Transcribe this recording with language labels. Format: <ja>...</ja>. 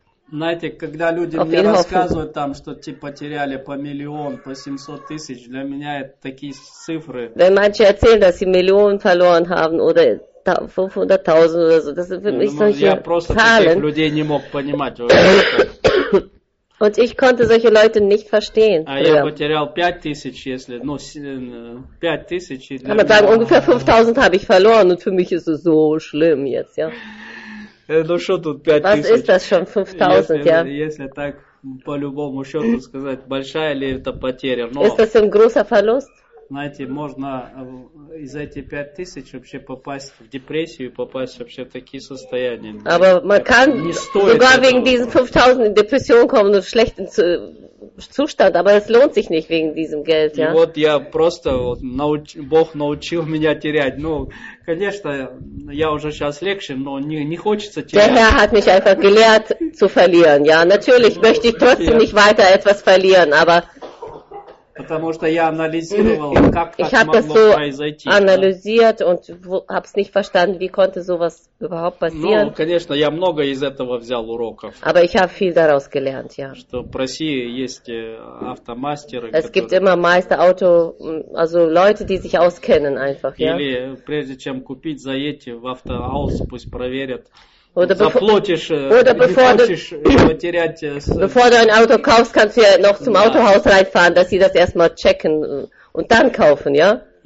<ru>знаете, когда люди auf мне рассказывают, там, что типа теряли по миллион, по 700 тысяч, для меня это такие цифры.</ru> <de>Wenn manche erzählen, dass sie Millionen verloren haben oder 500.000 oder so, das sind für mich solche Zahlen.</de> <ru>Я просто таких людей не мог понимать.</ru> <de>Und ich konnte solche Leute nicht verstehen.</de> <ru>А я потерял 5000, если, ну, 5000.</ru> <de>Kann man sagen, ungefähr 5000 habe ich verloren und für mich ist es so schlimm jetzt, ja.</de> <ru>Ну что тут 5000?</ru> <de>Was ist das schon, 5000, ja?</de> <ru>Если так по любому счету сказать, большая ли это потеря? Но...</ru> <de>Ist das ein großer Verlust?</de> <ru>Знаете, можно из этих 5000 вообще попасть в депрессию и попасть вообще в такие состояния.</ru> <de>Aber man kann sogar wegen diesen 5000 in Depression kommen und schlechten Zustand, aber es lohnt sich nicht wegen diesem Geld, ja?</de> <ru>И вот я просто вот, Бог научил меня терять. Ну, конечно, я уже сейчас легче, но не хочется терять.</ru> <de>Der Herr hat mich einfach gelehrt zu verlieren. Ja, natürlich möchte ich trotzdem nicht weiter etwas verlieren, aber</de> <ru>потому что я анализировал, как</ru> <de>ich</de> <ru>так могло</ru> <de>so</de> <ru>произойти.</ru> <de>Ich</de> <ru>анализировал</ru> <de>и habe es nicht verstanden, wie konnte sowas überhaupt passieren.</de> <ru>Ну, конечно, я много из этого взял уроков.</ru> <de>Aber ich habe viel daraus gelernt, ja.</de> <ru>Что в России есть автомастеры,</ru> <de>es</de> <ru>которые...</ru> <de>gibt immer Meister, Auto, also Leute, die sich auskennen einfach,</de> <ru>или,</ru> <de>ja.</de> <ru>Или прежде чем купить, заедьте в автоаус, пусть проверят.</ru> <de>Oder bevor du ein Auto kaufst, kannst du ja noch zum Autohaus reinfahren, dass sie das erstmal checken und dann kaufen, ja?</de>